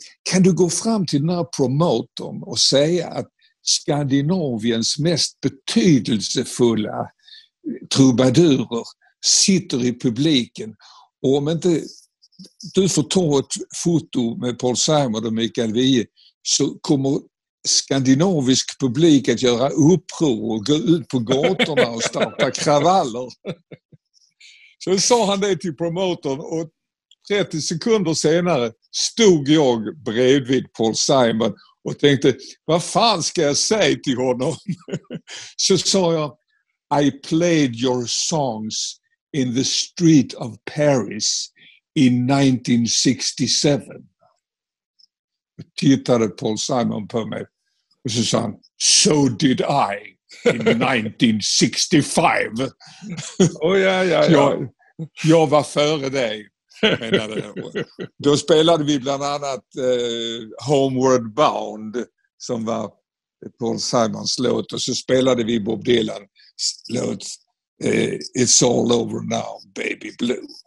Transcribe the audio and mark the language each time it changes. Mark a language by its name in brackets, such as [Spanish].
[Swedish] Kan du gå fram till den här promotorn och säga att Skandinaviens mest betydelsefulla trubadurer sitter i publiken, och om inte du får ta ett foto med Paul Simon och Mikael Wiehe så kommer skandinavisk publik att göra uppror och gå ut på gatorna och starta kravaller. Så sa han det till promotorn, och 30 sekunder senare stod jag bredvid Paul Simon och tänkte, vad fan ska jag säga till honom? Så sa jag, [English] I played your songs in the street of Paris in 1967. [Swedish] Jag tittade Paul Simon på mig och så sa han, [English] so did I in 1965. [Swedish] Oh, ja. Jag var före dig. Då spelade vi bland annat Homeward Bound, som var Paul Simons låt, och så spelade vi Bob Dylans låt It's All Over Now, Baby Blue.